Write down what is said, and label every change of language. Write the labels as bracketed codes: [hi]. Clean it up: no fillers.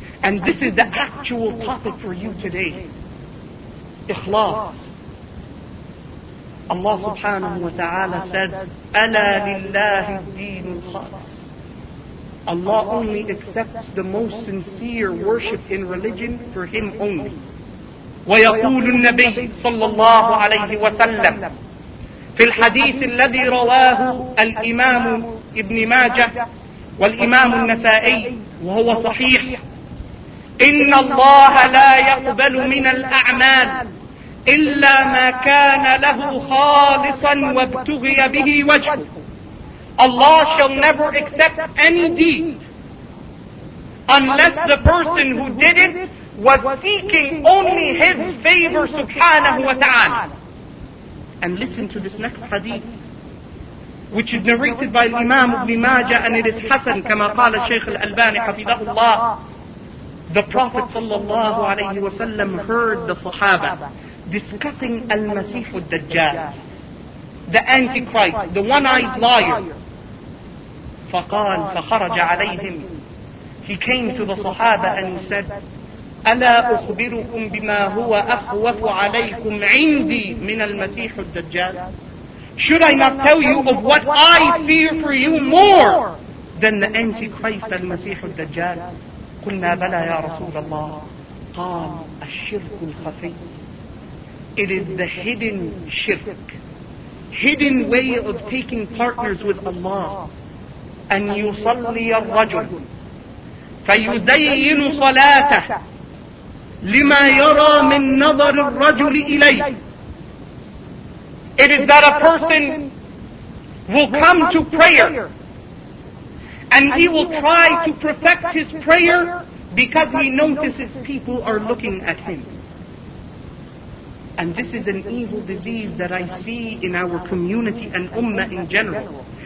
[en] And this is the actual topic for you today. Ikhlas. Allah subhanahu wa ta'ala says, [ar] أَلَا لِلَّهِ الدِّينُ الْخَالِصُ. [en] Allah only accepts the most sincere worship in religion for Him only. [ar] وَيَقُولُ النَّبِيُّ صَلَّى اللَّهُ عَلَيْهِ وَسَلَّمُ في الحديث الذي رواه الإمام ابن ماجة والإمام النسائي وهو صحيح إن الله لا يقبل من الأعمال إلا ما كان له خالصا وابتغي به وجهه. [en] Allah shall never accept any deed unless the person who did it was seeking only His favor subhanahu wa ta'ala. And listen to this next hadith, which is narrated by Imam Ibn Majah, and it is Hassan, [ar] كما قال الشيخ الألباني حفظه الله. [en] The Prophet sallallahu alayhi wa sallam heard the Sahaba discussing Al-Masih al-Dajjal, the Antichrist, the one-eyed liar. [ar] فقال فخرج عليهم. [en] He came to the Sahaba and he said, [ar] ألا أخبركم بما هو أخوف عليكم عندي من المسيح الدجال. [en] Should I not tell you of what I fear for you more than the Antichrist, the [ar] المسيح الدجال؟ قلنا بلى يا رسول الله. قال الشرك الخفي. [en] It is the hidden shirk, hidden way of taking partners with Allah. [ar] أن يصلي الرجل فيزين صلاته لما يرى من نظر الرجل إليه. [en] It is that a person will come to prayer and he will try to perfect his prayer because he notices people are looking at him. And this is an evil disease that I see in our community and ummah in general.